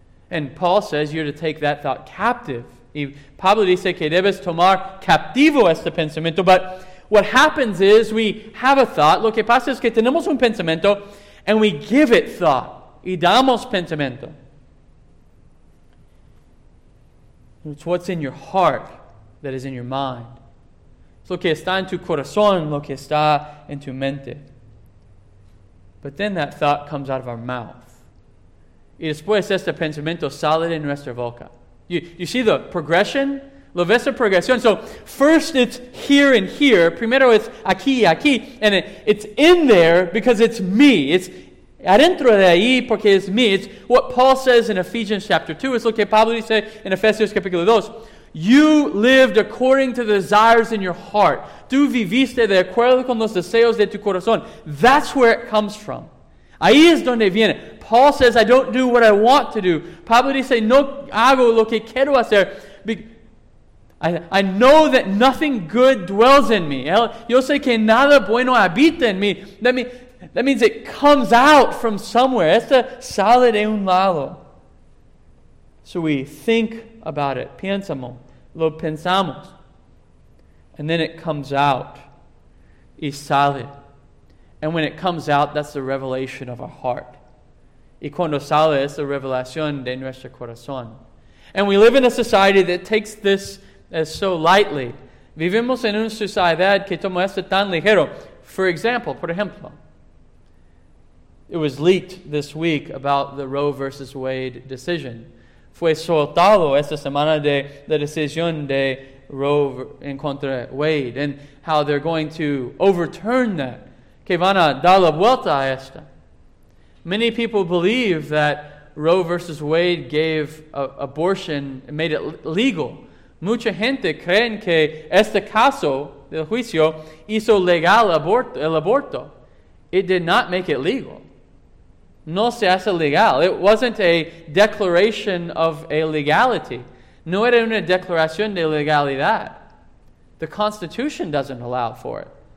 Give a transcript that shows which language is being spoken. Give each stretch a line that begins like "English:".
English: And Paul says you're to take that thought captive.
Spanish: Y Pablo dice que debes tomar captivo este pensamiento.
English: But what happens is we have a thought.
Spanish: Lo que pasa es que tenemos un pensamiento
English: and we give it thought.
Spanish: Y damos pensamiento.
English: It's what's in your heart that is in your mind.
Spanish: Es lo que está en tu corazón, lo que está en tu mente.
English: But then that thought comes out of our mouth.
Spanish: Y después este pensamiento sale de nuestra boca.
English: You see the progression?
Spanish: Lo ves la progresión.
English: So first it's here and here.
Spanish: Primero
English: it's
Spanish: aquí y aquí.
English: And it's in there because it's me. It's
Spanish: adentro de ahí porque es
English: me. It's what Paul says in Ephesians chapter 2. It's
Spanish: lo que Pablo dice en Efesios capítulo 2.
English: You lived according to the desires in your heart.
Spanish: Tú viviste de acuerdo con los deseos de tu corazón.
English: That's where it comes from.
Spanish: Ahí es donde viene.
English: Paul says, I don't do what I want to do.
Spanish: Pablo dice, no hago lo que quiero hacer.
English: I know that nothing good dwells in me.
Spanish: Yo sé que nada bueno habita en mí.
English: That means it comes out from somewhere.
Spanish: Esto sale de un lado.
English: So we think about it.
Spanish: Piensamos. Lo pensamos.
English: And then it comes out.
Spanish: Y sale.
English: And when it comes out, that's the revelation of our heart.
Spanish: Y cuando sale es la revelación de nuestro corazón.
English: And we live in a society that takes this as so lightly.
Spanish: Vivimos en una sociedad que toma esto tan ligero. Por ejemplo,
English: it was leaked this week about the Roe versus Wade decision.
Spanish: Fue soltado esta semana de la decisión de Roe en contra Wade
English: and how they're going to overturn that.
Spanish: Que van a dar la vuelta a esta.
English: Many people believe that Roe versus Wade gave abortion, made it legal.
Spanish: Mucha gente creen que este caso del juicio hizo legal el aborto.
English: It did not make it legal.
Spanish: No se hace legal.
English: It wasn't a declaration of a legality.
Spanish: No era una declaración de legalidad.
English: The Constitution doesn't allow for it.